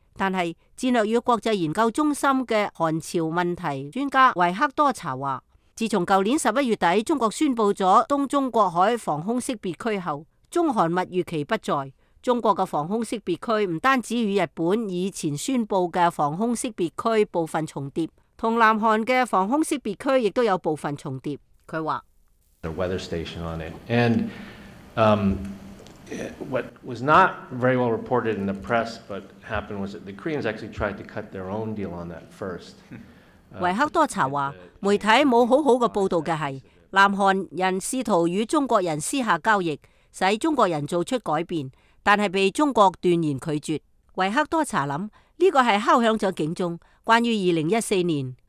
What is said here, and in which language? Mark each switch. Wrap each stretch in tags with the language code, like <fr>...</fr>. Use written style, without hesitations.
<zh>但是战略与国际研究中心的韩朝问题专家维克多查说，自从去年11月底中国宣布了东中国海防空识别区后，中韩蜜月期不在。中国的防空识别区不单止与日本以前宣布的防空识别区部分重叠，和南韩的防空识别区也有部分重叠。他说</zh> <en>The weather station on it. And, what was not very well reported in the press, but happened was that the Koreans actually tried to cut their own deal on that first.</en> <zh>维克多查说，媒体没有好好的报道的是，南韩人试图与中国人私下交易，使中国人做出改变，但是被中国断然拒绝。维克多查想，这个是敲响了警钟，关于2014年。</zh>